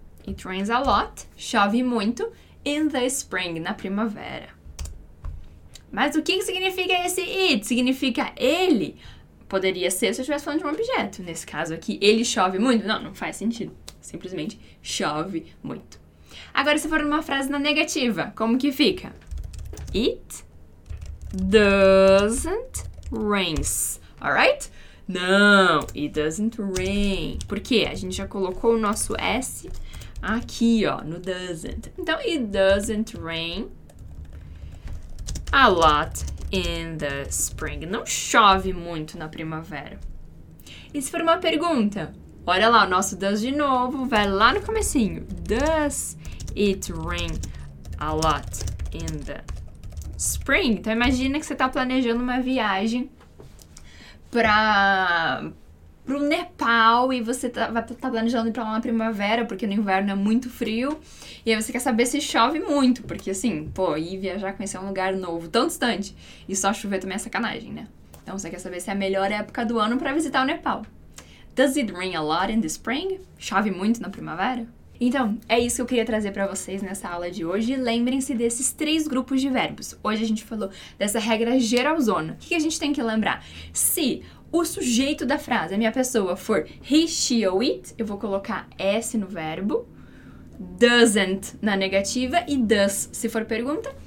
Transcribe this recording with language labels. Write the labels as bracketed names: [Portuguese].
[English] It rains a lot, [Portuguese] chove muito, [English] in the spring, [Portuguese] na primavera. Mas o que significa esse it? Significa ele? Poderia ser se eu estivesse falando de um objeto. Nesse caso aqui, ele chove muito? Não, não faz sentido. Simplesmente chove muito. Agora, se for uma frase na negativa, como que fica? [English] It doesn't rains, alright? [Portuguese] Não, [English] it doesn't rain. [Portuguese] Por quê? A gente já colocou o nosso S aqui, ó, no doesn't. [English] Então, it doesn't rain a lot in the spring. [Portuguese] Não chove muito na primavera. E se for uma pergunta? Olha lá, o nosso does de novo, vai lá no comecinho. [English] Does it rain a lot in the spring? [Portuguese] Então, imagina que você está planejando uma viagem para o Nepal e você tá planejando ir para lá na primavera, porque no inverno é muito frio, e aí você quer saber se chove muito, porque assim, pô, ir viajar, conhecer um lugar novo tão distante e só chover também é sacanagem, né? Então você quer saber se é a melhor época do ano para visitar o Nepal. [English] Does it rain a lot in the spring? [Portuguese] Chove muito na primavera? Então, é isso que eu queria trazer para vocês nessa aula de hoje. Lembrem-se desses três grupos de verbos. Hoje a gente falou dessa regra geralzona. O que a gente tem que lembrar? Se o sujeito da frase, a minha pessoa, for he, she ou it, eu vou colocar S no verbo, doesn't na negativa e does se for pergunta.